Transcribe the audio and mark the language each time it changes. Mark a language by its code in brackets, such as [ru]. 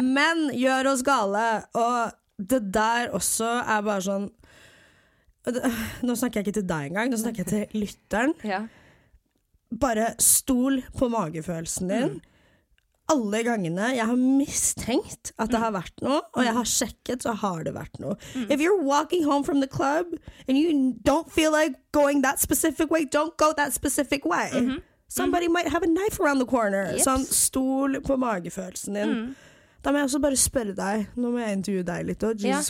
[sv] men gör oss gale och det där också är bara sån nu snackar jag inte till dig en gång nu snackar jag till lyttern ja [no] bara stol på magefølelsen din. Mm. [sv] Alla gångerna jag har misstänkt att det har varit något och jag har checkat så har det varit något. Mm. [en] If you're walking home from the club and you don't feel like going that specific way, don't go that specific way. Mm-hmm. Somebody mm-hmm. might have a knife around the corner. [no] Yep. Så stol på magefølelsen din. Mm. Da må jeg også bare spørre deg, nå må jeg intervjue deg litt også, Jesus